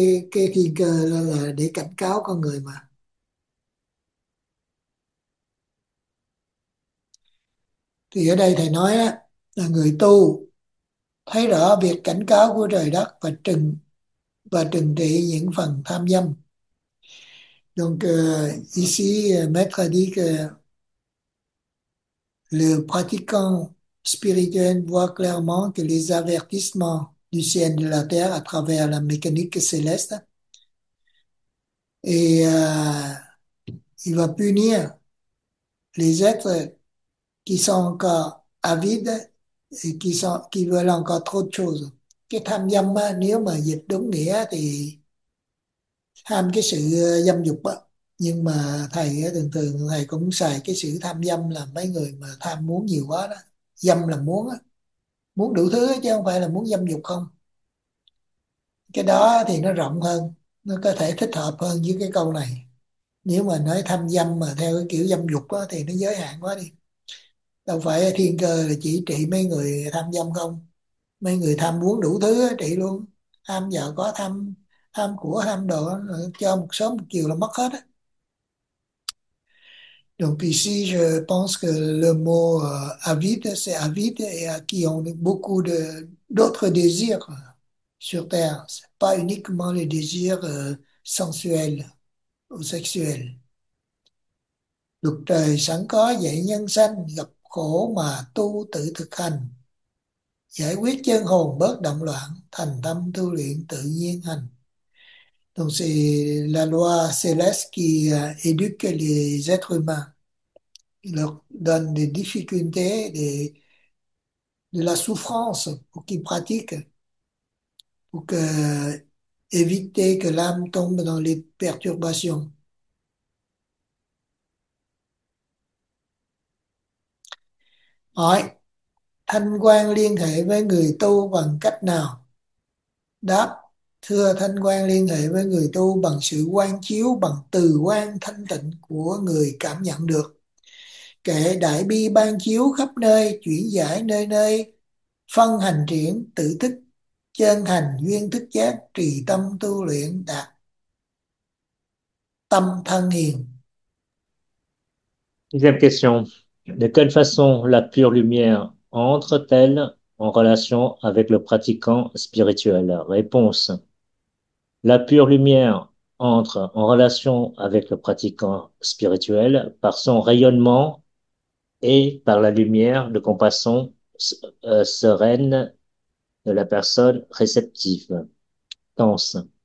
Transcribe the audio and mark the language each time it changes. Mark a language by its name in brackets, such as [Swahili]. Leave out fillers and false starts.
[Vietnamese] Cái thiên cơ là để cảnh cáo con người mà. Thì ở đây thầy nói á, là người tu thấy rõ việc cảnh cáo của trời đất và trừng trị những phần tham dâm. [French] Donc ici maître dit que le pratiquant spirituel voit clairement que les avertissements du ciel et de la terre à travers la mécanique céleste, et il va punir les êtres qui sont encore avides et qui veulent encore trop de choses. [Vietnamese] Cái tham dâm, nếu mà dịch đúng nghĩa thì tham cái sự dâm dục á. Nhưng mà thầy thường thường thầy cũng xài cái sự tham dâm là mấy người mà tham muốn nhiều quá đó. Dâm là muốn á, muốn đủ thứ chứ không phải là muốn dâm dục không. Cái đó thì nó rộng hơn, nó có thể thích hợp hơn với cái câu này. Nếu mà nói tham dâm mà theo cái kiểu dâm dục á thì nó giới hạn quá đi. Đâu phải thiên cơ là chỉ trị mấy người tham dâm không. Mấy người tham muốn đủ thứ trị luôn, tham vợ có, tham tham của, tham đồ, cho một sớm một chiều là mất hết á. [French] Donc ici je pense que le mot avide, c'est avide et qui ont beaucoup d'autres désirs. sur terre. C'est pas uniquement les désirs sensuels ou sexuels. [Vietnamese] Luật trời sẵn có dạy nhân sanh gặp khổ mà tu tự thực hành. Giải quyết chân hồn bớt động loạn, thành tâm tu luyện tự nhiên hành. [French] Donc c'est la loi céleste qui éduque les êtres humains. Il leur donne des difficultés, de la souffrance pour qu'ils pratiquent, pour éviter que l'âme tombe dans les perturbations. [Vietnamese] Hỏi, thanh quan liên hệ với người tu bằng cách nào? Đáp, thưa thanh quan liên hệ với người tu bằng sự quan chiếu, bằng từ quan thanh tịnh của người cảm nhận được. Kệ đại bi ban chiếu khắp nơi, chuyển giải nơi nơi, phân hành triển, tự thức, chân hành, duyên thức giác, trì tâm tu luyện, đạt tâm thân hiền. [French] Deuxième question. De quelle façon la pure lumière entre-t-elle en relation avec le pratiquant spirituel? Réponse. La pure lumière entre en relation avec le pratiquant spirituel par son rayonnement et par la lumière de compassion sereine de la personne réceptive. Tense.